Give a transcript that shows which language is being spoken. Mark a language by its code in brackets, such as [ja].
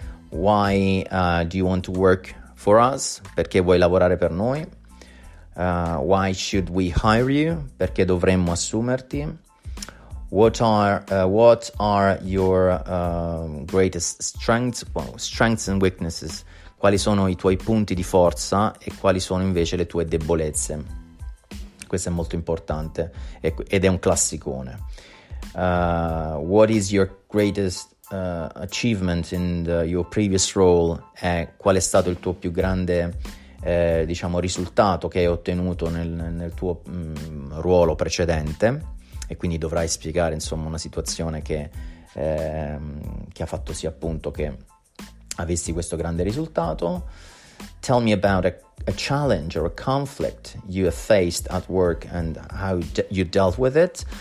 [en] Why do you want to work for us? [it] Perché vuoi lavorare per noi. [en] Why should we hire you? [it] Perché dovremmo assumerti. [en] What are your greatest strengths? Well, strengths and weaknesses. [it] Quali sono i tuoi punti di forza e quali sono invece le tue debolezze? Questo è molto importante ed è un classicone. [en] What is your greatest achievement in your previous role? [it] Qual è stato il tuo più grande risultato che hai ottenuto nel tuo ruolo precedente? E quindi dovrai spiegare insomma una situazione che ha fatto sì appunto che avessi questo grande risultato. [en] Tell me about a challenge or a conflict you have faced at work and how you dealt with it.